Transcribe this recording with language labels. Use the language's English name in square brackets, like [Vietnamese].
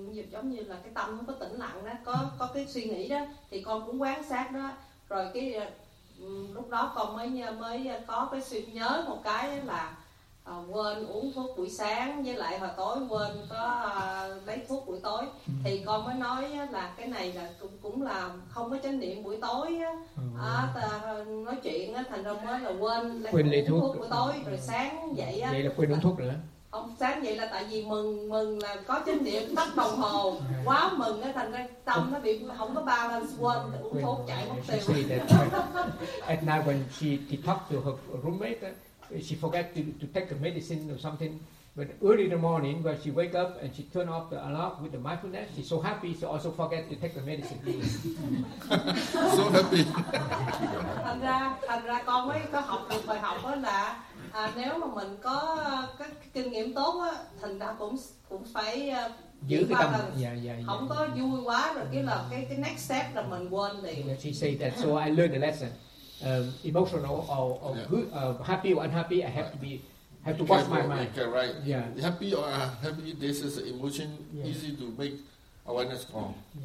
[Vietnamese] giống như là cái tâm không có tĩnh lặng đó, có cái suy nghĩ đó thì con cũng quan sát đó, rồi cái lúc đó con mới có cái sự nhớ một cái là quên uống thuốc buổi sáng với lại hồi tối quên có lấy thuốc buổi tối, thì con mới nói là cái này là cũng là không có chánh niệm buổi tối nói chuyện thành ra mới là quên lấy thuốc buổi tối, rồi sáng dậy vậy là quên uống thuốc nữa. Ông sáng vậy là tại vì mừng là có chánh niệm, tắt đồng hồ quá mừng á, thành ra tâm nó bị không có balance, quên uống thuốc chạy mất tiêu. [English] At night when she talked to her roommate, she forgot to take a medicine or something. But early in the morning, when she wake up and she turn off the alarm with the mindfulness, she's so happy, she also forget to take the medicine. So happy. [Vietnamese] Thành ra con mới có học được bài học đó là nếu mà mình có cái kinh nghiệm tốt á, thành ra cũng phải giữ cái tâm không có vui quá rồi cái là cái [English] next step [Vietnamese] là mình quên liền. [English] She said that, so I learned a lesson. Emotional or good, happy or unhappy, I have to be have to watch my mind. Okay, right. Yeah. Happy or unhappy, this is emotion easy to make awareness wrong.